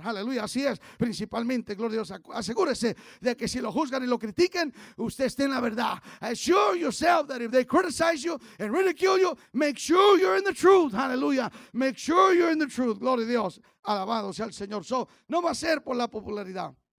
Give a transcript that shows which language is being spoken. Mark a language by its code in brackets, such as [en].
[es] Aleluya, así es, principalmente, gloria a Dios, asegúrese de que si lo juzgan y lo critiquen, usted esté en la verdad. [en] Assure yourself that if they criticize you and ridicule you, make sure you're in the truth. Aleluya, make sure you're in the truth. [es] Gloria a Dios, alabado sea el Señor. So, no va a ser por la popularidad.